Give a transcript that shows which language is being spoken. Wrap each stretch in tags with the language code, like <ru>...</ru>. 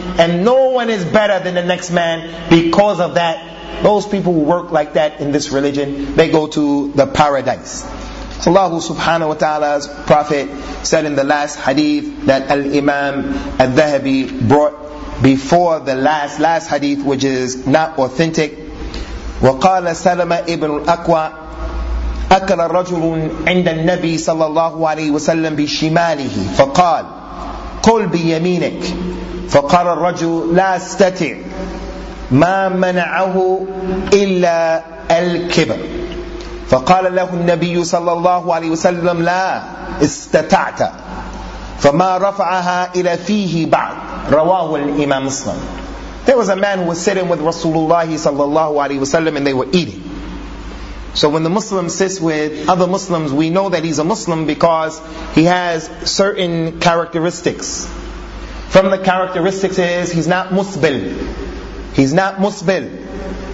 <en>And no one is better than the next man because of that. Those people who work like that in this religion, they go to the paradise. Allah subhanahu wa ta'ala's Prophet said in the last hadith that Al-Imam Al-Dhahabi brought before the last hadith, which is not authentic.</en> <ar>وَقَالَ سَلَمَ إِبْنُ الْأَكْوَى أَكَلَ رَجُلٌ عِنْدَ النَّبِي صَلَى اللَّهُ عَلَيْهِ وَسَلَّمْ بِشِمَالِهِ فَقَالْ قُلْ بِيَمِينِكَ فَقَالَ الرَّجُلُ لَا أَسْتَتِعْ مَا مَنَعَهُ إِلَّا الْكِبْرِ فقال له النبي صلى الله عليه وسلم لا استطعت فما رفعها إلى فيه بعد رواه الإمام مسلم.</ar> <en>There was a man who was sitting with Rasulullah صلى الله عليه وسلم, and they were eating. So when the Muslim sits with other Muslims, we know that he's a Muslim because he has certain characteristics. From the characteristics is he's not musbil. He's not musbil.</en>